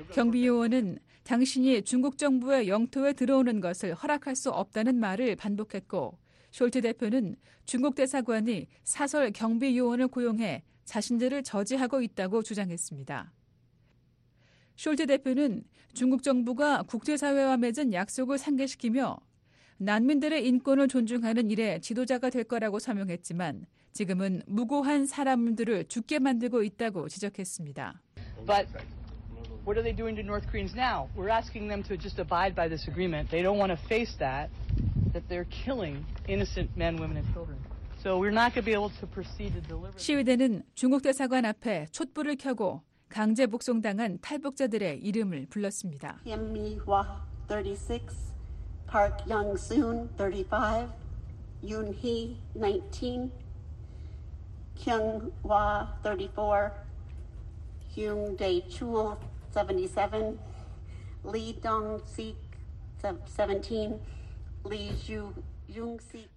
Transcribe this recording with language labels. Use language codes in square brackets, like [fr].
[ko] 경비 요원은 당신이 중국 정부의 영토에 들어오는 것을 허락할 수 없다는 말을 반복했고 숄트 대표는 중국 대사관이 사설 경비 요원을 고용해 자신들을 저지하고 있다고 주장했습니다. 숄트 대표는 중국 정부가 국제사회와 맺은 약속을 상기시키며 난민들의 인권을 존중하는 일에 지도자가 될 거라고 서명했지만 지금은 무고한 사람들을 죽게 만들고 있다고 지적했습니다. [en] But what are they doing to North Koreans now? We're asking them to just abide by this agreement. They don't want to face that they're killing innocent men, women and children. So we're not going to be able to proceed to deliver. [ko] 시위대는 중국 대사관 앞에 촛불을 켜고 강제 북송당한 탈북자들의 이름을 불렀습니다. [en] Kim Mi-hwa, 36, Park Young-soon, 35, Yoon-hee, 19, Kyung-hwa, 34, Hyung Dae-chul, 77, Lee Dong-sik, 17, Lee Ju-yung-sik.